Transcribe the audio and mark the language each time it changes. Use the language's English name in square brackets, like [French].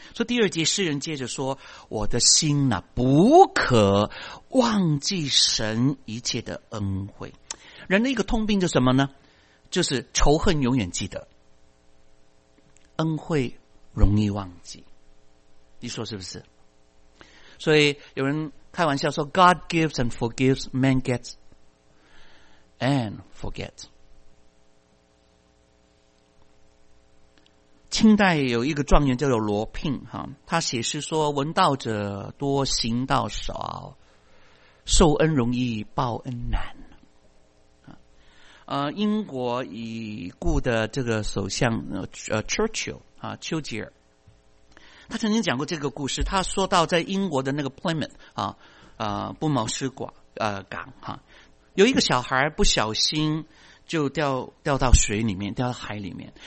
[Chinese] 所以第二节诗人接着说，我的心呢、啊，不可忘记神一切的恩惠。人的一个通病就是什么呢？就是仇恨永远记得，恩惠容易忘记，你说是不是？所以有人开玩笑说 [English] God gives and forgives, man gets and forgets。 [Chinese] 清代有一个状元叫做罗聘，他写诗说，闻道者多，行道少，受恩容易报恩难。英国已故的这个首相Churchill 啊，丘吉尔，他曾经讲过这个故事。他说到在英国的那个 Plymouth 啊，布茅斯港啊，有一个小孩不小心就掉到水里面，掉到海里面。